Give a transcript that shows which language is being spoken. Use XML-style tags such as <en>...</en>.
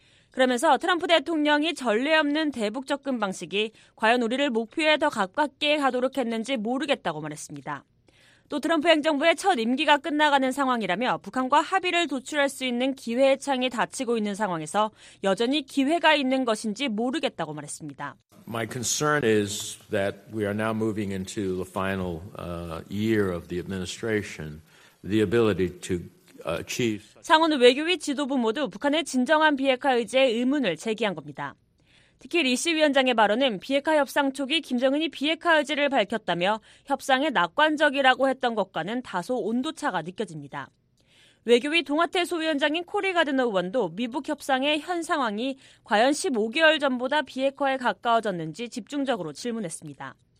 <ko>그러면서 트럼프 대통령이 전례 없는 대북 접근 방식이 과연 우리를 목표에 더 가깝게 가도록 했는지 모르겠다고 말했습니다. 또 트럼프 행정부의 첫 임기가 끝나가는 상황이라며 북한과 합의를 도출할 수 있는 기회의 창이 닫히고 있는 상황에서 여전히 기회가 있는 것인지 모르겠다고 말했습니다.</ko> <en>My concern is that we are now moving into the final year of the administration, the ability to achieve.</en> <ko>상원 외교위 지도부 모두 북한의 진정한 비핵화 의지에 의문을 제기한 겁니다. 특히 리시 위원장의 발언은 비핵화 협상 초기 김정은이 비핵화 의지를 밝혔다며 협상에 낙관적이라고 했던 것과는 다소 온도차가 느껴집니다. 외교위 동아태 소위원장인 코리 가드너 의원도 미북 협상의 현 상황이 과연 15개월 전보다 비핵화에 가까워졌는지 집중적으로 질문했습니다.</ko>